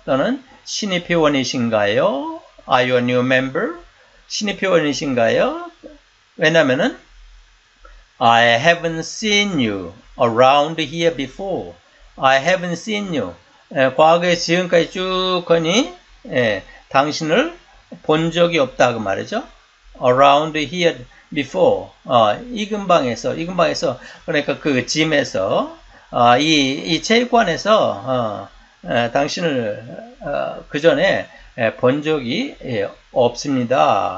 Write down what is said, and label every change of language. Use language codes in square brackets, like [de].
[ko] 또는 신입 회원이신가요? [en] Are you a new member? [ko] 신입 회원이신가요? 왜냐면은 [en] I haven't seen you around here before. I haven't seen you. [ko] 과거에 지금까지 쭉 하니 당신을 본 적이 없다 그 말이죠. [en] Around here before. [ko] 이금방에서 그러니까 그 짐에서 이 체육관에서 당신을 그 전에 본 적이 없습니다.